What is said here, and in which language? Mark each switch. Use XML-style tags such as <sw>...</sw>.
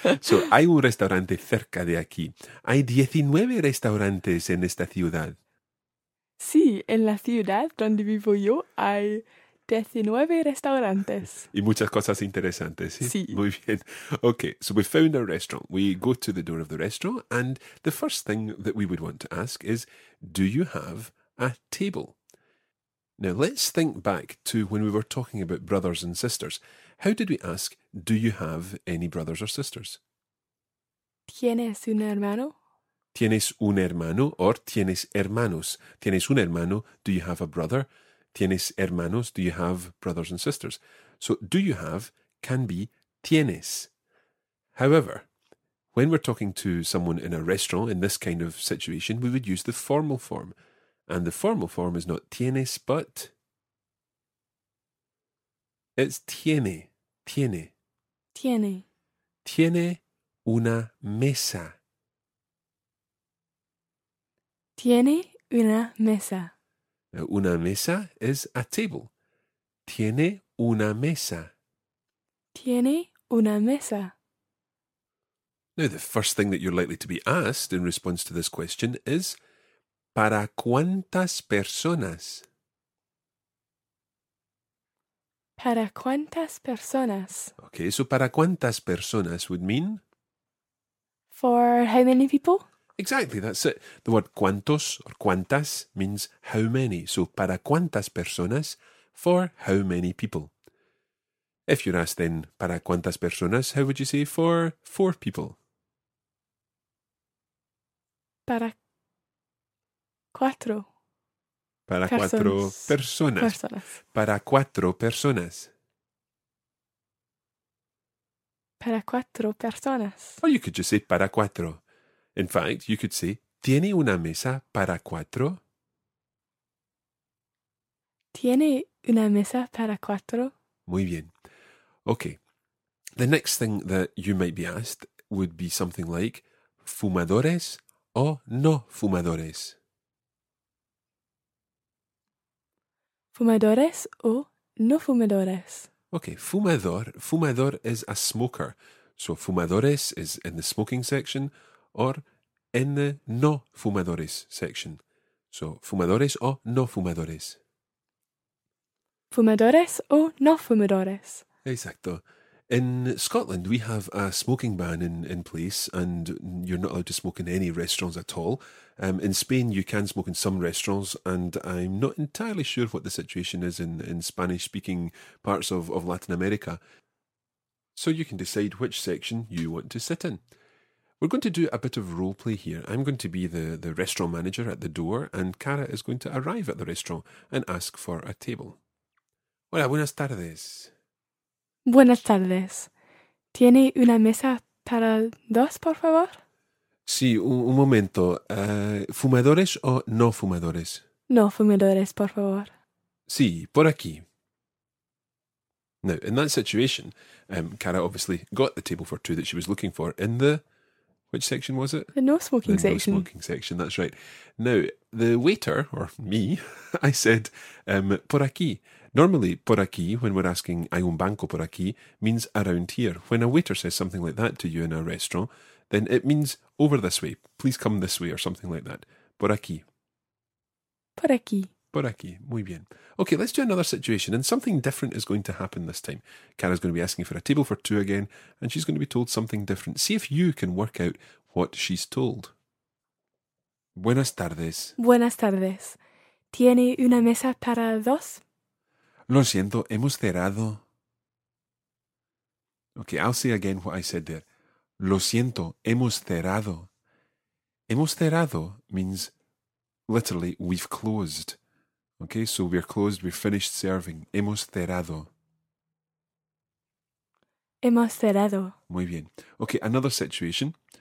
<es>So, hay un restaurante cerca de aquí. Hay 19 restaurantes en esta ciudad. Sí, en la ciudad donde vivo yo hay 19 restaurantes. Y muchas cosas interesantes, ¿sí? Sí. Muy bien.</es> <en>Okay, so we found a restaurant. We go to the door of the restaurant, and the first thing that we would want to ask is, do you have a table? Now, let's think back to when we were talking about brothers and sisters. How did we ask, do you have any brothers or sisters?</en> <es>¿Tienes un hermano? Tienes un hermano or tienes hermanos. Tienes un hermano,</es> <en>do you have a brother?</en> <es>Tienes hermanos,</es> <en>do you have brothers and sisters? So, do you have can be tienes. However, when we're talking to someone in a restaurant in this kind of situation, we would use the formal form. And the formal form is not tienes, but it's</en> <es>tiene, tiene. Tiene. Tiene una mesa. Tiene una mesa.</es> <en>Now,</en> <es>una mesa</es> <en>is a table.</en> <es>Tiene una mesa. Tiene una mesa.</es> <en>Now, the first thing that you're likely to be asked in response to this question is,</en> <es>¿para cuántas personas? ¿Para cuántas personas?</es> <en>Okay, so</en> <es>¿para cuántas personas</es> <en>would mean? For how many people? Exactly, that's it. The word cuántos or cuántas means how many. So,</en> <es>¿para cuántas personas?</es> <en>For how many people. If you're asked then,</en> <es>¿para cuántas personas?</es> <en>How would you say for 4 people?</en> <es>Para 4. Para 4 personas. Para 4 personas. Para 4 personas.</es> <en>Or you could just say para 4. In fact, you could say,</en> <es>¿tiene una mesa para 4? ¿Tiene una mesa para 4? Muy bien. Okay.</es> <en>The next thing that you might be asked would be something like,</en> <es>¿fumadores o no fumadores? ¿Fumadores o no fumadores?</es> <en>Okay, fumador. Fumador is a smoker. So, fumadores is in the smoking section or in the no fumadores section.</en> <es>So, fumadores o no fumadores. Fumadores o no fumadores. Exacto.</es> <en>In Scotland, we have a smoking ban in place and you're not allowed to smoke in any restaurants at all. In Spain, you can smoke in some restaurants and I'm not entirely sure what the situation is in Spanish-speaking parts of Latin America. So you can decide which section you want to sit in. We're going to do a bit of role play here. I'm going to be the restaurant manager at the door and Cara is going to arrive at the restaurant and ask for a table.</en> <es>Hola, buenas tardes. Buenas tardes. ¿Tiene una mesa para 2, por favor? Sí, un momento. ¿Fumadores o no fumadores? No fumadores, por favor. Sí, por aquí.</es> <en>Now, in that situation, Cara obviously got the table for 2 that she was looking for in the... Which section was it? The no-smoking section. The no-smoking section, that's right. Now, the waiter, or me, I said,</en> <es>por aquí.</es> <en>Normally, por aquí, when we're asking,</en> <es>hay un banco por aquí,</es> <en>means around here. When a waiter says something like that to you in a restaurant, then it means over this way. Please come this way, or something like that.</en> <es>Por aquí. Por aquí. Por aquí. Muy bien.</es> <en>Okay, let's do another situation. And something different is going to happen this time. Cara's going to be asking for a table for 2 again, and she's going to be told something different. See if you can work out what she's told.</en> <es>Buenas tardes. Buenas tardes. ¿Tiene una mesa para 2? Lo siento, hemos cerrado.</es> <en>Okay, I'll say again what I said there.</en> <es>Lo siento, hemos cerrado. Hemos cerrado</es> <en>means literally we've closed. Okay, so we're closed, we're finished serving.</en> <es>Hemos cerrado. Hemos cerrado. Muy bien.</es> <en>Okay, another situation.</en>